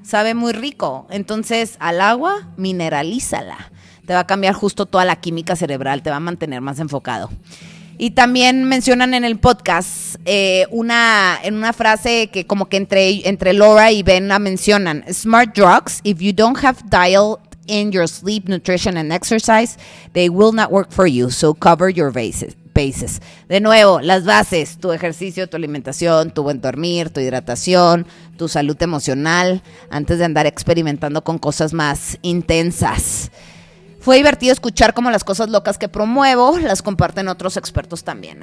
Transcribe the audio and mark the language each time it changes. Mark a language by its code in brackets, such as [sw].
[es] Sabe muy rico. Entonces, al agua, mineralízala. Te va a cambiar justo toda la química cerebral. Te va a mantener más enfocado. Y también mencionan en el podcast una frase que como que entre Laura y Ben la mencionan. [en] Smart drugs, if you don't have dial in your sleep, nutrition and exercise, they will not work for you, so cover your bases. [es] De nuevo, las bases: tu ejercicio, tu alimentación, tu buen dormir, tu hidratación, tu salud emocional, antes de andar experimentando con cosas más intensas. Fue divertido escuchar cómo las cosas locas que promuevo las comparten otros expertos también.